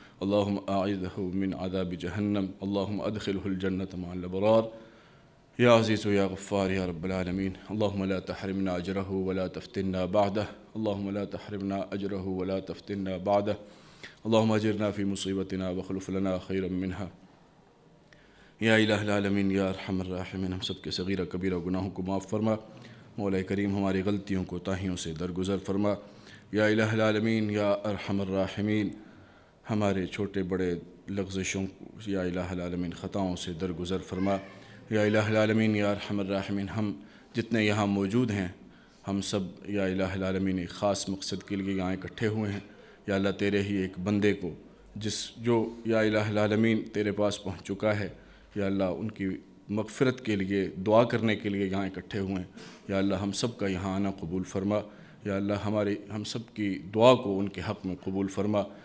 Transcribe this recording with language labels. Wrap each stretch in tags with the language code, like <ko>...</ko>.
<ar>اللهم أعذه من عذاب جهنم، اللهم أدخله الجنة مع الأبرار، يا عزيز يا غفار يا رب العالمين. اللهم لا تحرمنا أجره ولا تفتنا بعده، اللهم لا تحرمنا أجره ولا تفتنا بعده، اللهم أجرنا في مصيبتنا واخلف لنا خيرا منها. يا إله العالمين يا أرحم الراحمين،</ar> <ur>هم سب کے صغيرہ كبيرہ گناہوں کو معاف فرما، مولا کریم ہماری غلطیوں کو تاہیوں سے درگزر فرما.</ur> <ar>يا إله العالمين يا أرحم الراحمين،</ar> <ur>ہمارے چھوٹے بڑے لغزشوں کو</ur> <ar>يا إله العالمين</ar> <ur>خطاؤں سے درگزر فرما.</ur> <ar>يا إله العالمين يا أرحم الراحمين،</ar> <ur>ہم جتنے یہاں موجود ہیں ہم سب</ur> <ar>يا إله العالمين</ar> <ur>ایک خاص مقصد کے لیے یہاں اکٹھے ہوئے ہیں. یا اللہ تیرے ہی ایک بندے کو جس جو</ur> <ar>یا الہ العالمین</ar> <ur>تیرے پاس پہنچ چکا ہے، یا اللہ ان کی مغفرت کے لیے دعا کرنے کے لیے یہاں اکٹھے ہوئے ہیں، یا اللہ ہم سب کا یہاں آنا قبول فرما، یا اللہ ہماری ہم سب کی دعا کو ان کے حق میں قبول فرما.</ur>